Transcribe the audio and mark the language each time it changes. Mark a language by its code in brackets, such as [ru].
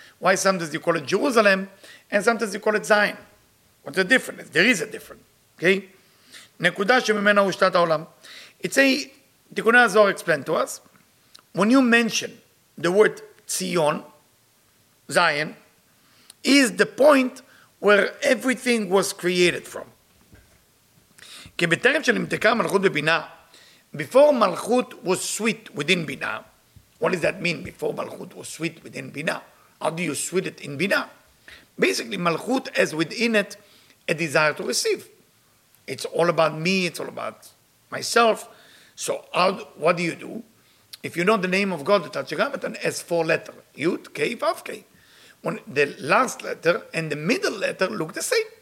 [en] Why sometimes you call it Jerusalem and sometimes you call it Zion? What's the difference? There is a difference. Okay? [he] נקודה שממנה הושתת העולם. [en] It's a, תיקוני הזוהר explained to us, when you mention the word Zion, Zion, is the point where everything was created from. [he] כי בטרם שנמתקה מלכות בבינה, [en] before מלכות was sweet within בינה, what does that mean, before מלכות was sweet within בינה? How do you sweet it in בינה? Basically, מלכות has within it a desire to receive. It's all about me, it's all about myself. So how, what do you do? If you know the name of God, the Tetragrammaton, has four letters. Yud, Kei, Vav, Kei. When the last letter and the middle letter look the same.